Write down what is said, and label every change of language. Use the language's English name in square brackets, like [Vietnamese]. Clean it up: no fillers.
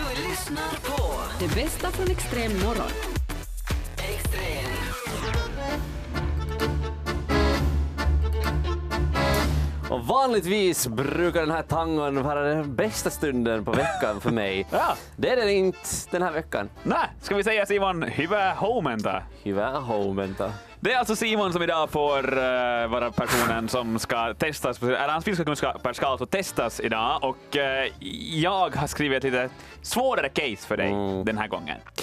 [Swedish] lyssnar på det bästa från Extrem Morgon. Och vanligtvis brukar den här tangon vara den bästa stunden på veckan för mig. Ja. Det är det inte den här veckan. Nej, ska vi säga Simon, [Finnish] hyvä huomenta. Hyvä huomenta. [Swedish] Det är alltså Simon som idag får vara personen som ska testas, eller hans finska kunskaper ska alltså testas idag. Och jag har skrivit lite svårare case för dig den här gången.